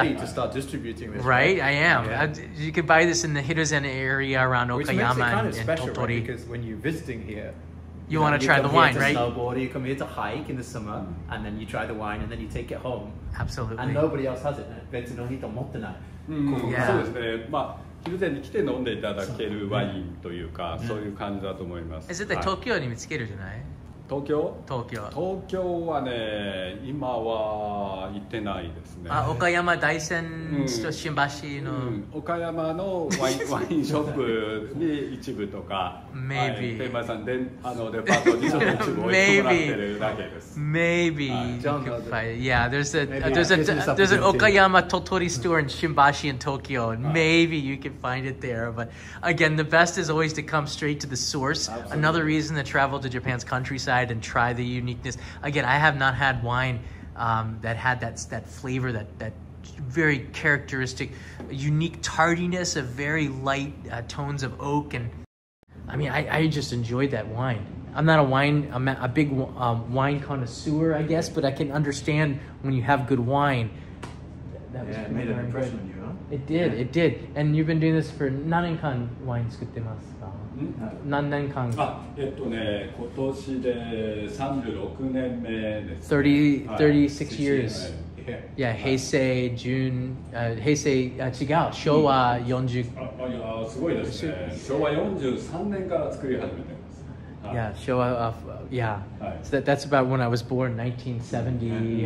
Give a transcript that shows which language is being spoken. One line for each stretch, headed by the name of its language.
English: Who's ready to start distributing this? Right, I am. You can buy this in the Hiruzen area around Okayama and Tottori. Which makes it kind of special, because when you're visiting here, you want to try the wine, right? You come here to snowboard, you come here to hike in the summer, and then you try the wine, and then you take it home. Absolutely. And nobody else has it. 別の人持ってない。
Japanese: Yeah. そうですね。まあ。ヒルゼンに来て飲んでいただけるワインというか、そういう感じだと思います。絶対東京に見つけるじゃない？東京？東京。東京はね、今は行ってないですね。あ、岡山大山と新橋の、岡山のワインショップに一部とか、 maybe、テーマさんで、あのデパートに一部置いてもらってるだけです。
English: Maybe、you can find, yeah, there's an Okayama Tottori store in Shimbashi in Tokyo, and maybe you can find it there. But again, the best is always to come straight to the source. Absolutely. Another reason to travel to Japan's countryside and try the uniqueness. Again, I have not had wine that had that flavor, that very characteristic, unique tartiness of very light tones of oak. And I mean, I just enjoyed that wine. I'm not a big wine connoisseur, I guess, but I can understand when you have good wine. It made an impression on you, huh? It did, yeah. It did. And you've been doing this for 何年間ワイン作ってますか？何年間？
Japanese: 今年で36年目です。 36 years. Yeah,
English: 平成順、平成、違う、昭和40。
Japanese: すごいですね。昭和43年から作り始めて。
English: Yeah, show off. Yeah, so that's about when I was born, 1970.